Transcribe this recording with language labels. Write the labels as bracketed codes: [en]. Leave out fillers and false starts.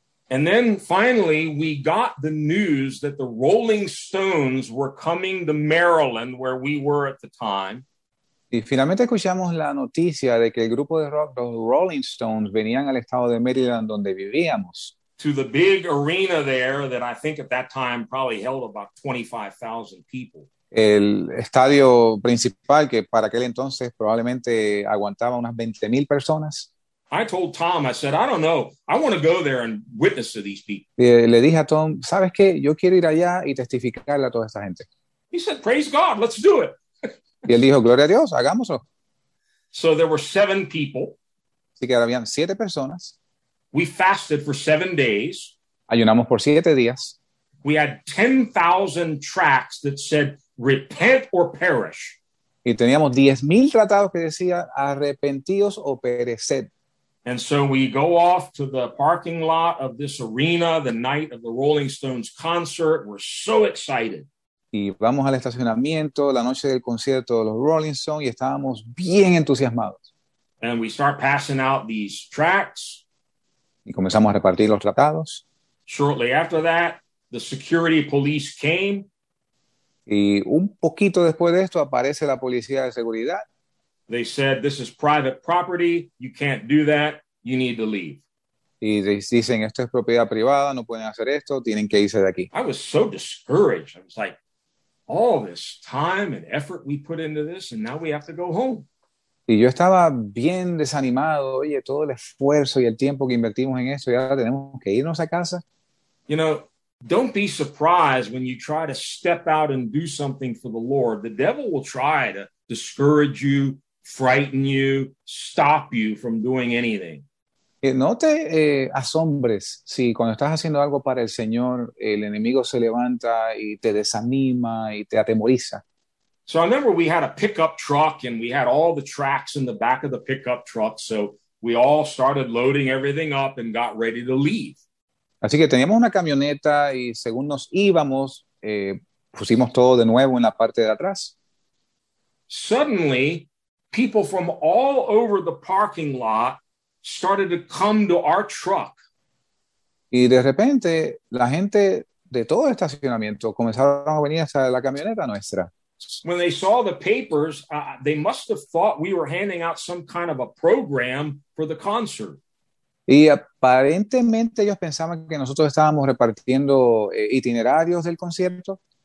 [en] And then finally we got the news that the Rolling Stones were coming to Maryland where we were at the time. [es] Y finalmente escuchamos la noticia de que el grupo de rock, los Rolling Stones, venían al estado de Maryland donde vivíamos. [en] To the big arena there that I think at that time probably held about 25,000 people. [es] El estadio principal que para aquel entonces probablemente aguantaba unas 20,000 personas. [en] I told Tom, I said, I don't know, I want to go there and witness to these people. [es] Le dije a Tom, ¿sabes qué? Yo quiero ir allá y testificarle a toda esta gente. [en] He said, praise God, let's do it. [es] Y él dijo, gloria a Dios, hagámoslo. [en] So there were 7 people. [es] Así que ahora habían 7 personas. [en] We fasted for 7 days. [es] Ayunamos por 7 días. [en] We had 10,000 tracts that said repent or perish. [es] Y teníamos 10,000 tratados que decía arrepentíos o pereced. [en] And so we go off to the parking lot of this arena the night of the Rolling Stones concert. We're so excited. [es] Y vamos al estacionamiento la noche del concierto de los Rolling Stones y estábamos bien entusiasmados. [en] And we start passing out these tracts. [es] Y comenzamos a repartir los tratados. [en] Shortly after that, the security police came. [es] Y un poquito después de esto aparece la policía de seguridad. [en] They said, this is private property. You can't do that. You need to leave. [es] Y dicen, esto es propiedad privada. No pueden hacer esto. Tienen que irse de aquí. [en] I was so discouraged. I was like, all this time and effort we put into this, and now we have to go home. [es] Y yo estaba bien desanimado, oye, todo el esfuerzo y el tiempo que invertimos en eso, y ahora tenemos que irnos a casa. [en] You know, Don't be surprised when you try to step out and do something for the Lord. The devil will try to discourage you, frighten you, stop you from doing anything. [es] No te asombres si cuando estás haciendo algo para el Señor, el enemigo se levanta y te desanima y te atemoriza. [en] So I remember we had a pickup truck and we had all the tracks in the back of the pickup truck. So we all started loading everything up and got ready to leave. [es] Así que teníamos una camioneta y según nos íbamos, pusimos todo de nuevo en la parte de atrás. [en] Suddenly, people from all over the parking lot started to come to our truck. [es] Y de repente, la gente de todo el estacionamiento comenzaron a venir hasta la camioneta nuestra. [en] When they saw the papers, they must have thought we were handing out some kind of a program for the concert. Y aparentemente ellos pensaban que nosotros estábamos repartiendo itinerarios del concierto.